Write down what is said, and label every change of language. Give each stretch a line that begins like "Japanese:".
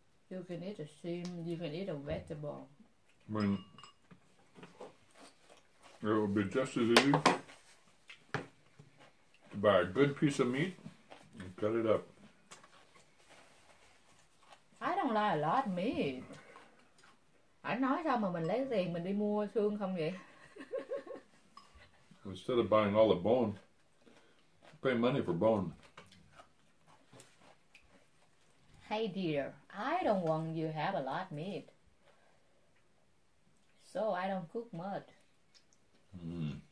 English: You can eat a shrimp, you can eat a vegetable. I mean, it would be just as easy to buy a good piece of meat and cut it up. I don't like a lot of meat.
Vietnamese: Anh nói sao mà mình lấy tiền mình đi mua xương không vậy?
English: Instead of buying all the bone, pay money for bone. Hey dear, I don't want you to have a lot of meat. So I don't cook much. Mm.